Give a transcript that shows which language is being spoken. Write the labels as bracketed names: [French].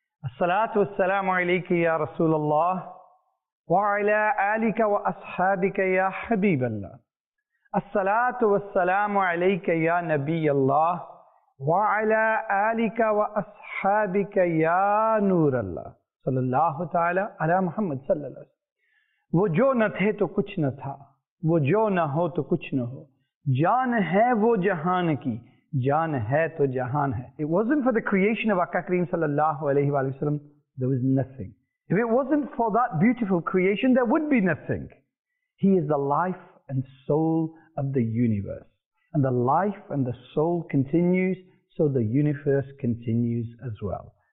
[Arabic] الصلاة والسلام عليك يا رسول الله وعلى آلك وأصحابك يا حبيب الله. الصلاة والسلام عليك يا نبي الله وعلى آلك وأصحابك يا نور الله. صلى الله تعالى على محمد صلى الله عليه وسلم. [Urdu] وہ جو نہ تھے تو کچھ نہ تھا، وہ جو نہ ہو تو کچھ نہ ہو، جان ہے وہ جہان کی، جان ہے تو جہان ہے. [English] It wasn't for the creation of Akka Kareem [Arabic] sallallahu alayhi wa sallam, [English] there was nothing. If it wasn't for that beautiful creation, there would be nothing. He is the life and soul of the universe. And the life and the soul continues, so the universe continues as well.